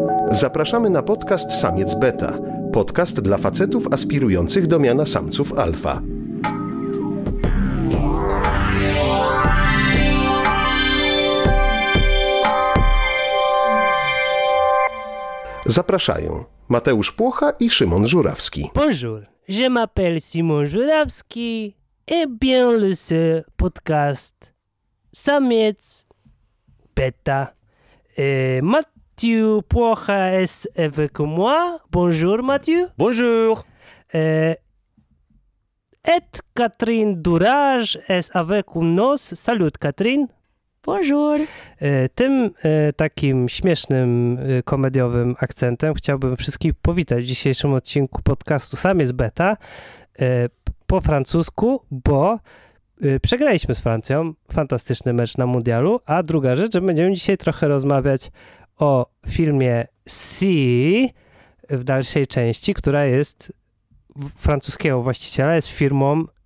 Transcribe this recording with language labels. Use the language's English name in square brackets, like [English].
[Polish] Zapraszamy na podcast Samiec Beta. Podcast dla facetów aspirujących do miana samców alfa. Zapraszają Mateusz Płocha i Szymon Żurawski. [French] Bonjour, je m'appelle Simon Żurawski et bien le seul podcast Samiec Beta. Mathieu Pocha est avec moi. Bonjour Mathieu. Bonjour. Et Catherine Durage est avec nous. Salut Catherine. Bonjour. [Polish] Tym takim śmiesznym komediowym akcentem chciałbym wszystkich powitać w dzisiejszym odcinku podcastu Samiec Beta po francusku, bo przegraliśmy z Francją, fantastyczny mecz na mundialu, a druga rzecz, że będziemy dzisiaj trochę rozmawiać o filmie Si w dalszej części, która jest francuskiego właściciela, jest firmą